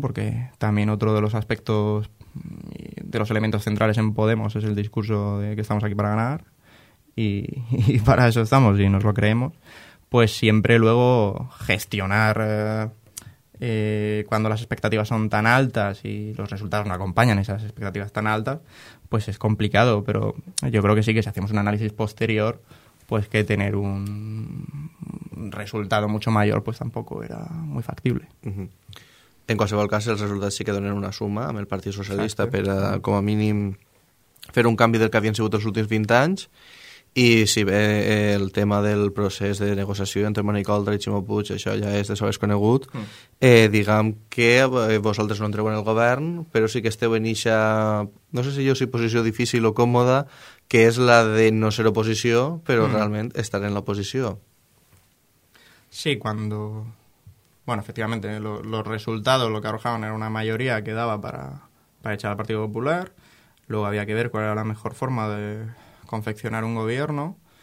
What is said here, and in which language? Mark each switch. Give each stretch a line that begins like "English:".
Spanish: Porque también otro de los aspectos, de los elementos centrales en Podemos, es el discurso de que estamos aquí para ganar, y para eso estamos y nos lo creemos, pues siempre luego gestionar cuando las expectativas son tan altas y los resultados no acompañan esas expectativas tan altas, pues es complicado. Pero yo creo que sí, que si hacemos un análisis posterior, pues que tener un resultado mucho mayor pues tampoco era muy factible. Uh-huh.
Catalan: En qualsevol cas, els resultats sí que donen una suma amb el Partit Socialista. Exacte. Per a, com a mínim, fer un canvi del que havien sigut els últims 20 anys. I si bé el tema del procés de negociació entre Manicoldre i Ximo Puig, això ja és de sobres conegut, diguem que vosaltres no entreu en el govern, però sí que esteu en eixa, no sé si jo si posició difícil o còmoda, que és la de no ser oposició, però realment estar en l'oposició.
Spanish: Sí, cuando... Bueno, efectivamente, los resultados, lo que arrojaban era una mayoría que daba para echar al Partido Popular. Luego había que ver cuál era la mejor forma de confeccionar un gobierno.